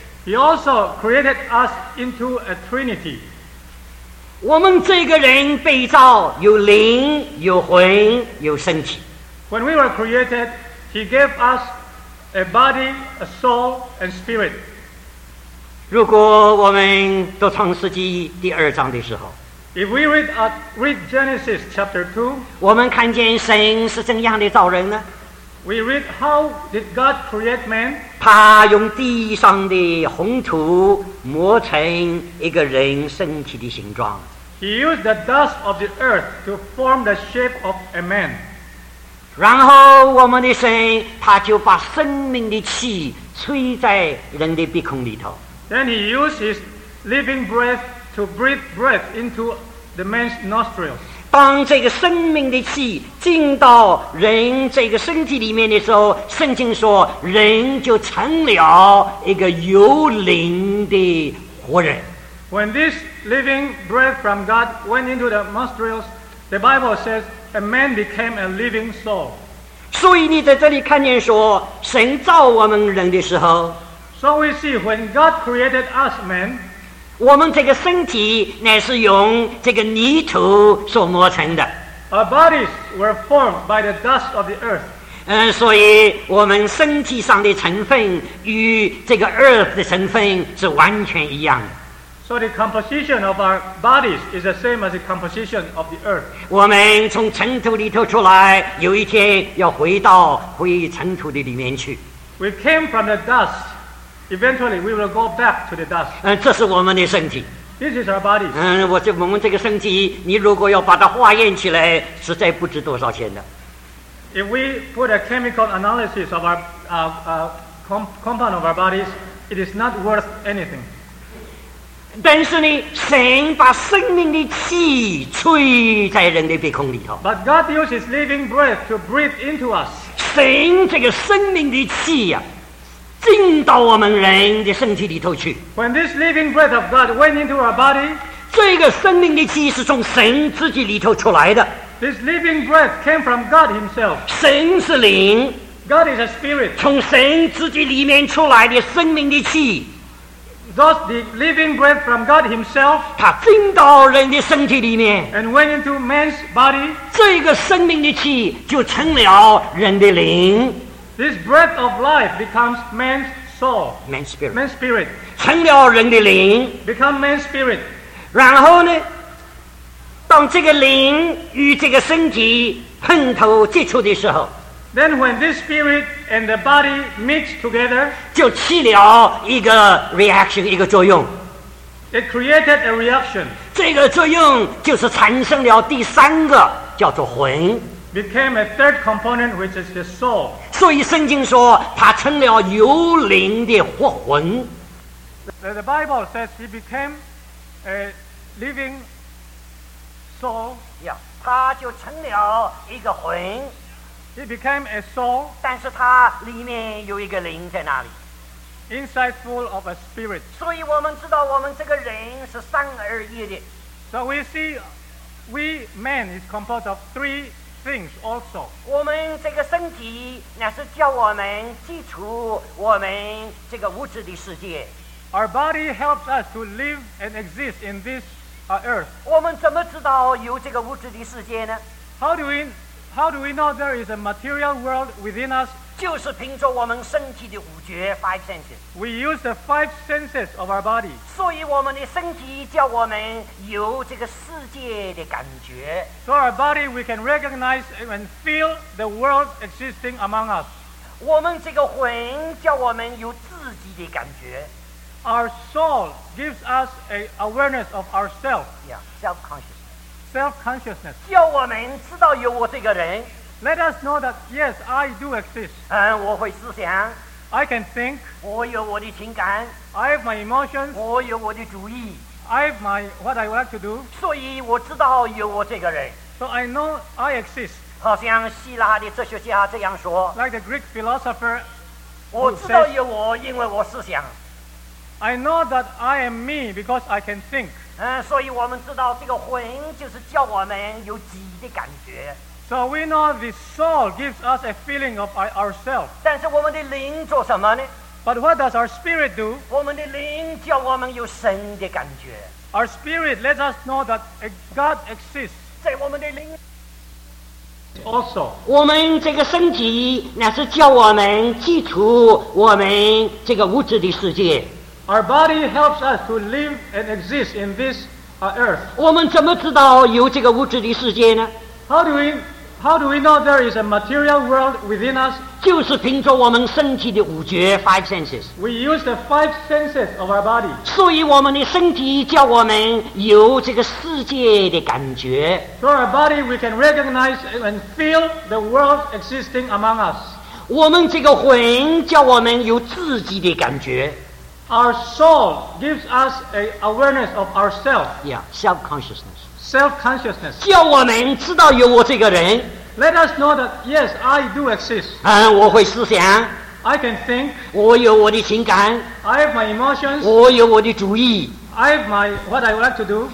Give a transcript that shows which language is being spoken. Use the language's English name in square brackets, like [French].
[English] He also created us into a Trinity. [Chinese] 我们这个人被造有灵、有魂、有身体。 [English] When we were created, He gave us a body, a soul, and spirit. [Chinese] 如果我们读创世纪第二章的时候， [English] If we read Genesis chapter 2, [Chinese] 我们看见神是怎样的造人呢？ [English] We read how did God create man? [Chinese] 他用地上的红土磨成一个人身体的形状。 [English] He used the dust of the earth to form the shape of a man. [Chinese] 然后我们的神他就把生命的气吹在人的鼻孔里头。 [English] Then he used his living breath to breathe breath into the man's nostrils. [Chinese] 当这个生命的气进到人这个身体里面的时候，圣经说人就成了一个有灵的活人。 [English] When this living breath from God went into the nostrils, the Bible says a man became a living soul. [Chinese] 所以你在这里看见说神造我们人的时候， [English] So we see when God created us men, [Chinese] 我们这个身体乃是用这个泥土所磨成的。 [English] Our bodies were formed by the dust of the earth. [Chinese] 所以我们身体上的成分与这个 earth 的成分是完全一样的。 [English] So the composition of our bodies is the same as the composition of the earth. [Chinese] 我们从尘土里头出来，有一天要回到回尘土的里面去。 [English] We came from the dust. Eventually, we will go back to the dust. [Chinese] 这是我们的身体。 [English] This is our body. [Chinese] 我们这个身体，你如果要把它化验起来，实在不值多少钱的。 [English] If we put a chemical analysis of our compound of our bodies, it is not worth anything. [Chinese] 但是呢，神把生命的气吹在人的鼻孔里头。 [English] But God used His living breath to breathe into us. [Chinese] 神这个生命的气呀、啊。进到我们人的身体里头去。 [English] When this living breath of God went into our body, [Chinese] 这个生命的气是从神自己里头出来的。 [English] This living breath came from God Himself. [Chinese] 神是灵。 [English] God is a spirit. [Chinese] 从神自己里面出来的生命的气。 [English] Thus the living breath from God Himself, [Chinese] 它进到人的身体里面。 [English] And went into man's body, [Chinese] 这个生命的气就成了人的灵。 [English] This breath of life becomes man's soul, man's spirit, [Chinese] 成了人的灵 [English] become man's spirit. [Chinese] 然后呢，当这个灵与这个身体碰头接触的时候 [English] ，then when this spirit and the body mix together, [Chinese] 就起了一个 reaction, 一个作用。 [English] It created a reaction. [Chinese] 这个作用就是产生了第三个，叫做魂。 [English] Became a third component, which is the soul. [Chinese] 所以圣经说他成了有灵的活魂。 [English] The Bible says he became a living soul. [Chinese] Yeah, 他就成了一个魂。 [English] He became a soul. [Chinese] 但是他里面有一个灵在哪里？ [English] Inside full of a spirit. [Chinese] 所以我们知道我们这个人是三而一的。 [English] So we see, we man is composed of three. Things also. [Chinese] 我们这个身体那是叫我们基础我们这个物质的世界。 [English] Our body helps us to live and exist in this earth. [Chinese] 我们怎么知道有这个物质的世界呢？ [English] How do we know there is a material world within us? [Chinese] 就是凭着我们身体的五觉 [English] five senses. We use the five senses of our body. [Chinese] 所以我们的身体叫我们有这个世界的感觉。 [English] So our body we can recognize and feel the world existing among us. [Chinese] 我们这个魂叫我们有自己的感觉。 [English] Our soul gives us an awareness of ourselves. Yeah, self-consciousness. self-consciousness. [Chinese] 叫我们知道有我这个人。 [English] Let us know that, yes, I do exist. [Chinese] 我会思想。 [English] I can think. [Chinese] 我有我的情感。 [English] I have my emotions. [Chinese] 我有我的主意。 [English] I have my, what I would like to do. [Chinese] 所以我知道有我这个人。 [English] So I know I exist. [Chinese] 好像希腊的哲学家这样说。 [English] Like the Greek philosopher who says, [Chinese] 我知道有我，因为我思想。 [English] I know that I am me because I can think. [Chinese] 所以我们知道这个魂就是叫我们有己的感觉。 [English] So we know the soul gives us a feeling of ourselves. [Chinese] 但是我们的灵做什么呢？ [English] But what does our spirit do? [Chinese] 我们的灵叫我们有神的感觉。 [English] Our spirit lets us know that a God exists. [Chinese] 在我们的灵。 [English] Also, [Chinese] 我们这个身体那是叫我们记住我们这个物质的世界。 [English] Our body helps us to live and exist in this earth. [Chinese] 我们怎么知道有这个物质的世界呢？ [English] How do we know there is a material world within us? [Chinese] 就是凭着我们身体的五觉 [English] five senses. We use the five senses of our body. [Chinese] 所以我们的身体叫我们有这个世界的感觉。 [English] Through our body, we can recognize and feel the world existing among us. [Chinese] 我们这个魂叫我们有自己的感觉。 [English] Our soul gives us an awareness of ourselves. Yeah, self-consciousness. Self-consciousness. [Chinese] 叫我们知道有我这个人。 [English] Let us know that, yes, I do exist. [Chinese] 我会思想。 [English] I can think. [Chinese] 我有我的情感。 [English] I have my emotions. [Chinese] 我有我的主意。 [English] I have my, what I would like to do.